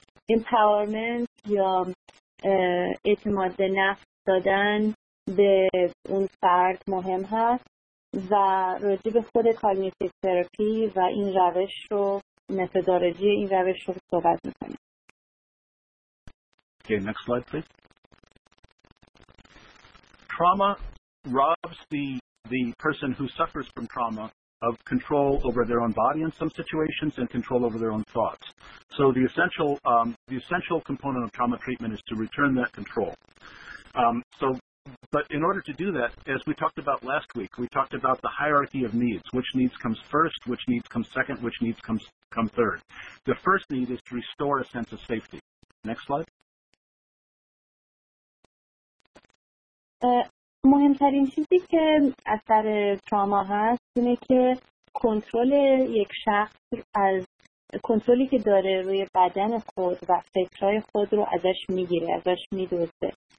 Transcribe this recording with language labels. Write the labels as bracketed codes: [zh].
[fa] Empowerment یا اعتماد به نفس دادن به اون فرد مهم هست و راجع به خود کاگنیتیو تراپی و این روش رو متدولوژی این روش رو صحبت می‌کنیم. [en] Okay, next slide please. Trauma robs the person who suffers from trauma of control over their own body in some situations and control over their own thoughts. So the essential component of trauma treatment is to return that control. But in order to do that, as we talked about last week, we talked about the hierarchy of needs, which needs comes first, which needs comes second, which needs come third. The first need is to restore a sense of safety. Next slide. [fa] مهمترین چیزی که اثر تراما هست اینه که کنترل یک شخص از کنترلی که داره روی بدن خود و فکرهای خود رو ازش میگیره، ازش میدوزه.